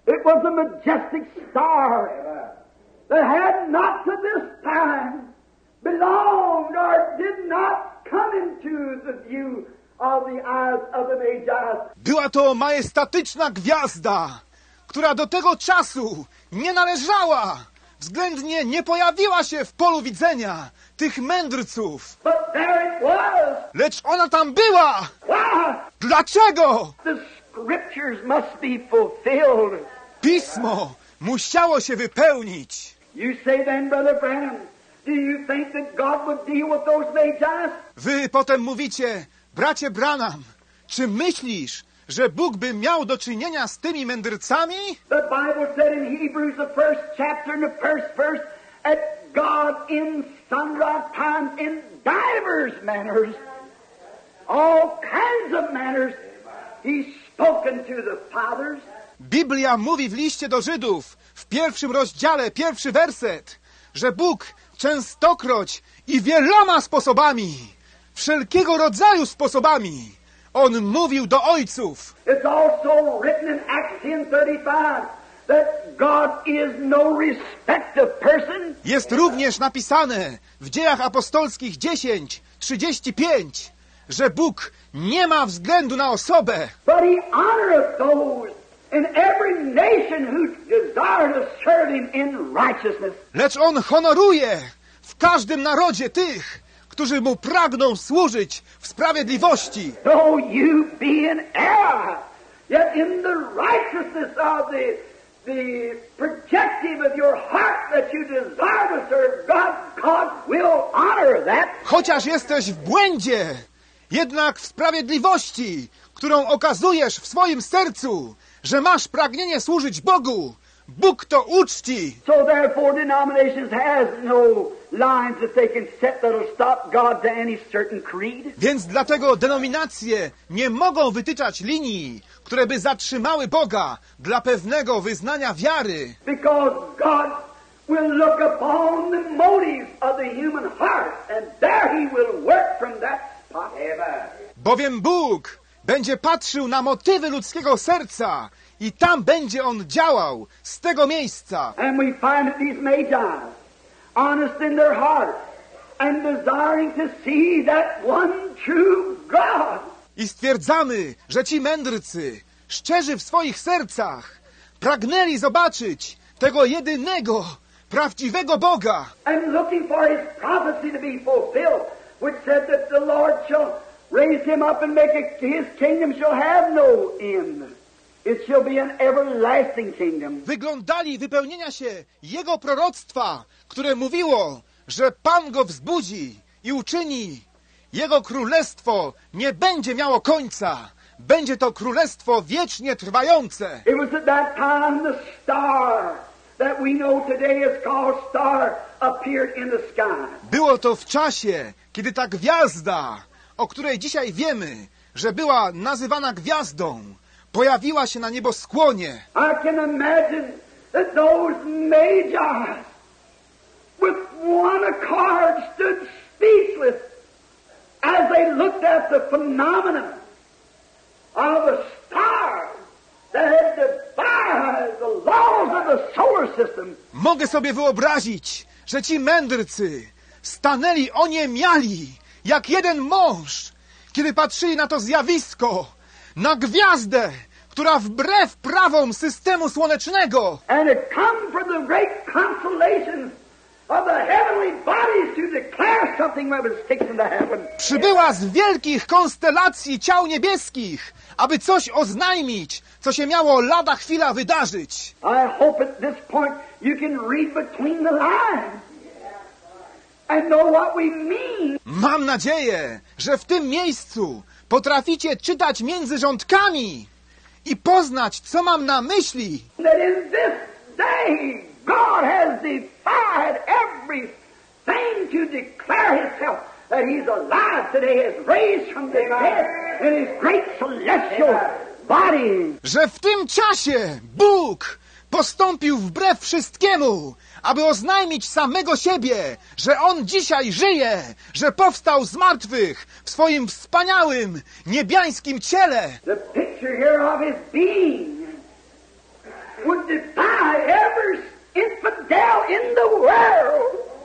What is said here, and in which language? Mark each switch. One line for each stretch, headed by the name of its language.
English: It was a majestic star that had not to this time belonged or did not come into the view of the eyes of the magi.
Polish: Była to majestatyczna gwiazda, która do tego czasu nie należała, względnie nie pojawiła się w polu widzenia tych mędrców.
English: But there it was.
Polish: Lecz ona tam była.
English: Why?
Polish: Dlaczego?
English: Scriptures must be fulfilled.
Polish: Pismo musiało się wypełnić.
English: You say then, Brother Branham, do you think that God would deal with those magi?
Polish: Wy potem mówicie, bracie Branham, czy myślisz, że Bóg by miał do czynienia z tymi mędrcami?
English: The Bible said in Hebrews the first chapter and the first verse at God in sundry times in divers manners, all kinds of manners, he's spoken to the fathers.
Polish: Biblia mówi w liście do Żydów, w pierwszym rozdziale, pierwszy werset, że Bóg częstokroć i wieloma sposobami, wszelkiego rodzaju sposobami, On mówił do ojców.
English: It's also written in Acts 10:35 that God is no respecter of person.
Polish: Jest również napisane w Dziejach Apostolskich 10:35, że Bóg nie ma względu na osobę.
English: But he honoreth those in every nation who desire to serve him in righteousness.
Polish: Lecz On honoruje w każdym narodzie tych, którzy Mu pragną służyć w sprawiedliwości.
English: Though you be in error, yet in the righteousness of the projective of your heart that you desire to serve God, God will honor that.
Polish: Chociaż jesteś w błędzie, jednak w sprawiedliwości, którą okazujesz w swoim sercu, że masz pragnienie służyć Bogu, Bóg to uczci.
English: So therefore denominations has no lines that they can set that'll stop God to any certain creed.
Polish: Więc dlatego denominacje nie mogą wytyczać linii, które by zatrzymały Boga dla pewnego wyznania wiary.
English: Because God will look upon the motives of the human heart and there he will work from that spot. Amen.
Polish: Bowiem Bóg będzie patrzył na motywy ludzkiego serca i tam będzie On działał, z tego miejsca.
English: And we find that these magi, honest in their heart, and desiring to see that one true God.
Polish: I stwierdzamy, że ci mędrcy, szczerzy w swoich sercach, pragnęli zobaczyć tego jedynego, prawdziwego Boga.
English: And looking for his prophecy to be fulfilled, which said that the Lord shall raise him up and make his kingdom shall have no end. It shall be an everlasting kingdom.
Polish: Wyglądali wypełnienia się jego proroctwa, które mówiło, że Pan go wzbudzi i uczyni. Jego królestwo nie będzie miało końca. Będzie to królestwo wiecznie trwające.
English: It was at that time the star that we know today is called star appeared in the sky.
Polish: Było to w czasie, kiedy ta gwiazda, o której dzisiaj wiemy, że była nazywana gwiazdą, pojawiła się na nieboskłonie.
English: I can imagine that those magi with one accord stood speechless as they looked at the phenomenon of a star that had defied the laws of the solar system.
Polish: Mogę sobie wyobrazić, że ci mędrcy stanęli oniemiali jak jeden mąż, kiedy patrzyli na to zjawisko, na gwiazdę, która wbrew prawom systemu słonecznego.
English: And it come from the great consolation of the heavenly bodies to declare something that was taken to heaven.
Polish: Przybyła z wielkich konstelacji ciał niebieskich, aby coś oznajmić, co się miało lada chwila wydarzyć.
English: I hope at this point you can read between the lines and know what we mean.
Polish: Mam nadzieję, że w tym miejscu potraficie czytać między rządkami i poznać, co mam na myśli.
English: That in this day God has defied everything to declare himself that he's alive today, he's raised from the dead in his great celestial body.
Polish: Że w tym czasie Bóg postąpił wbrew wszystkiemu, aby oznajmić samego siebie, że On dzisiaj żyje, że powstał z martwych w swoim wspaniałym, niebiańskim ciele.
English: The picture here of his being would defy every infidel in the world.